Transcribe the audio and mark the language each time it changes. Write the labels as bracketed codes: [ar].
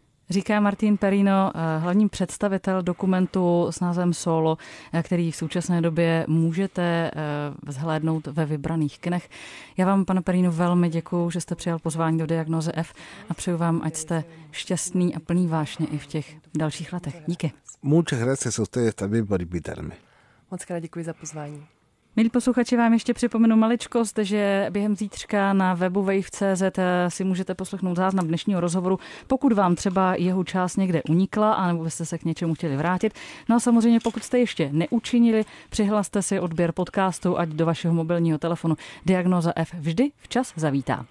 [cs] Říká Martín Perino, hlavní představitel dokumentu s názvem Solo, který v současné době můžete vzhlédnout ve vybraných kinech. Já vám, pane Perino, velmi děkuju, že jste přijal pozvání do Diagnoze F a přeju vám, ať jste šťastný a plný vášně i v těch dalších letech. Díky. [es] Muchas gracias a ustedes también por invitarme. [cs] Moc krát děkuji za pozvání. Milí posluchači, vám ještě připomenu maličkost, že během zítřka na webu wave.cz si můžete poslechnout záznam dnešního rozhovoru, pokud vám třeba jeho část někde unikla, anebo byste se k něčemu chtěli vrátit. No a samozřejmě, pokud jste ještě neučinili, přihlaste si odběr podcastu, ať do vašeho mobilního telefonu Diagnoza F vždy včas zavítá.